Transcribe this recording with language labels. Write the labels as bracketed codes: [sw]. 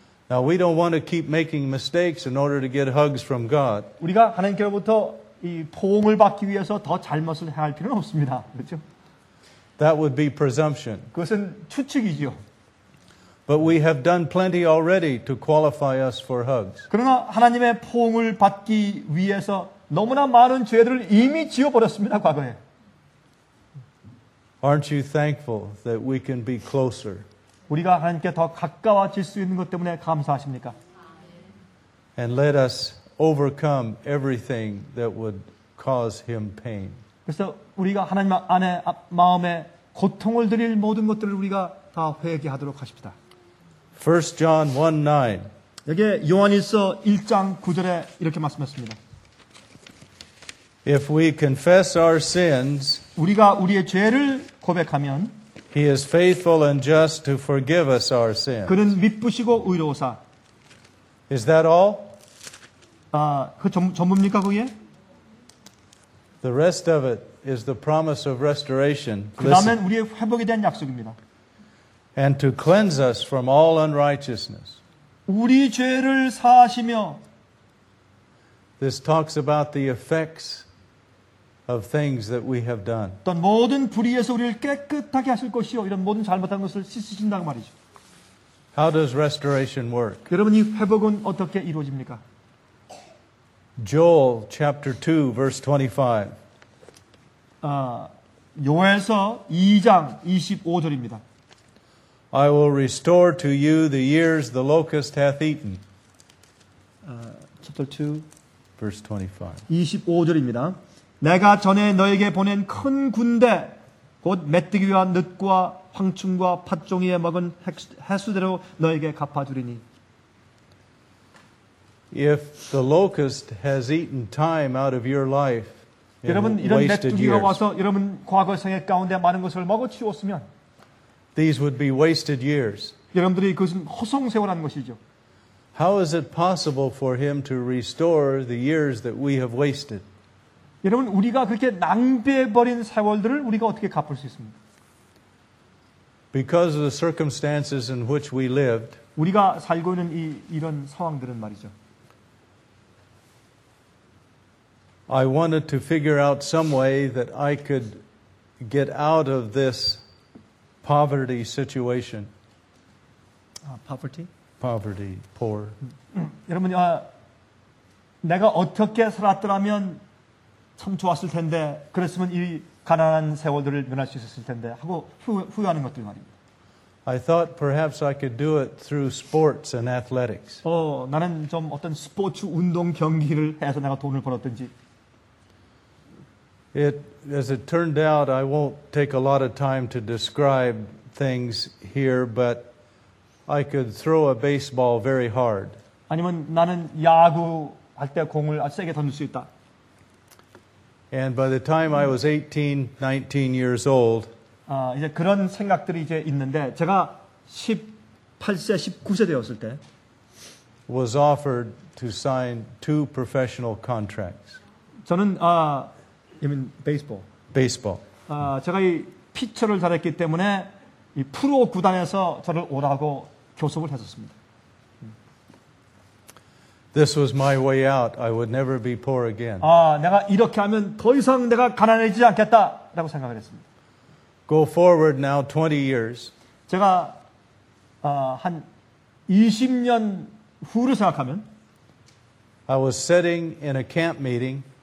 [en] Now we don't want to keep making mistakes in order to get hugs from God. [ko] 우리가 하나님께로부터 이 포옹을 받기 위해서 더 잘못을 해야 할 필요는 없습니다. 그렇죠? [en] That would be presumption. [ko] 그것은 추측이지요. [en] But we have done plenty already to qualify us for hugs. [ko] 그러나 하나님의 포옹을 받기 위해서 너무나 많은 죄들을 이미 지어 버렸습니다 과거에. [en] Aren't you thankful that we can be closer? [ko] 우리가 하나님께 더 가까워질 수 있는 것 때문에 감사하십니까? [en] And let us overcome everything that would cause him pain. [ko] 그래서 우리가 하나님 안에 마음에 고통을 드릴 모든 것들을 우리가 다 회개하도록 하십니다. [en] 1 John 1:9. [ko] 여기 요한일서 1장 9절에 이렇게 말씀했습니다. [en] If we confess our sins, [ko] 우리가 우리의 죄를 고백하면, [en] He is faithful and just to forgive us our sins. [ko] 그는 믿으시고 의로우사. [en] Is that all? [ko] 아, 그 전부입니까 그게? [en] The rest of it is the promise of restoration. [ko] 그다음엔 우리의 회복에 대한 약속입니다. [en] And to cleanse us from all unrighteousness. [ko] 우리 죄를 사하시며. [en] This talks about the effects of things that we have done. [ko] 어떤 모든 불의에서 우리를 깨끗하게 하실 것이요 이런 모든 잘못한 것을 씻으신다고 말이죠. [en] How does restoration work? [ko] 여러분 이 회복은 어떻게 이루어집니까? [en] Joel chapter 2 verse 25. [ko] 요엘서 2장 25절입니다. [en] I will restore to you the years the locust hath eaten. Chapter 2 verse 25. [ko] 25절입니다. 내가 전에 너에게 보낸 큰 군대 곧 메뚜기와 늑과 황충과 팥종이에 먹은 해수대로 너에게 갚아 주리니. [en] If the locust has eaten time out of your life, [ko] 여러분 이런 메뚜기가 와서 여러분 과거 생애 가운데 많은 것을 먹어 치웠으면, [en] these would be wasted years. [ko] 여러분들이 그것은 허송 세월한 것이죠. [en] How is it possible for him to restore the years that we have wasted? [ko] 여러분 우리가 그렇게 낭비해 버린 세월들을 우리가 어떻게 갚을 수 있습니까? [en] Because of the circumstances in which we lived. [ko] 우리가 살고 있는 이런 상황들은 말이죠. [en] I wanted to figure out some way that I could get out of this poverty situation. Poverty? Poverty, poor. [ko] 여러분, 내가 어떻게 살았더라면 참 좋았을 텐데, 그랬으면 이 가난한 세월들을 면할 수 있었을 텐데 하고 후회하는 것들 말입니다. [en] I thought perhaps I could do it through sports and athletics. [ko] 나는 좀 어떤 스포츠 운동 경기를 해서 내가 돈을 벌었든지. [en] As it turned out, I won't take a lot of time to describe things here, but I could throw a baseball very hard. [ko] 아니면 나는 야구 할 때 공을 세게 던질 수 있다. [en] And by the time I was 18, 19 years old, [ko] 이제 그런 생각들이 이제 있는데 제가 18세, 19세 되었을 때 [en] was offered to sign two professional contracts. [ko] 저는 [en] You mean baseball? baseball. [ko] 아, 제가 이 피처를 잘했기 때문에 이 프로 구단에서 저를 오라고 교섭을 했었습니다. [en] This was my way out. I would never be poor again. [ko] 아, 내가 이렇게 하면 더 이상 내가 가난해지지 않겠다라고 생각을 했습니다. [en] Go forward now 20 years. [ko] 제가 한 20년 후를 생각하면 [en] I was sitting in a camp meeting.